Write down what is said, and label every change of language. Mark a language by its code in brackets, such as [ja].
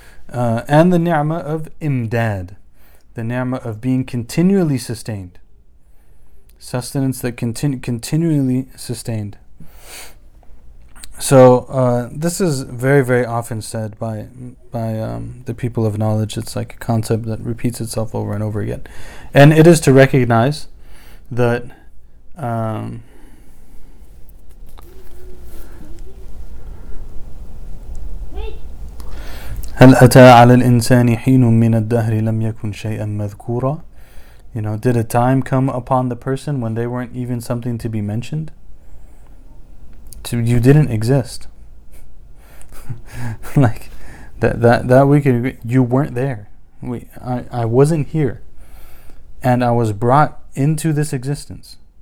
[en] And the ni'mah of imdad, the ni'mah of being continually sustained. Sustenance that continually sustained. So this is very, very often said by the people of knowledge. It's like a concept that repeats itself over and over again. And it is to recognize that [ar] هل أتى على الإنسان حين من الدهر لم يكن شيئا مذكورا. [en] You know, did a time come upon the person when they weren't even something to be mentioned? You didn't exist. Like that we could agree, you weren't there. I wasn't here, and I was brought into this existence.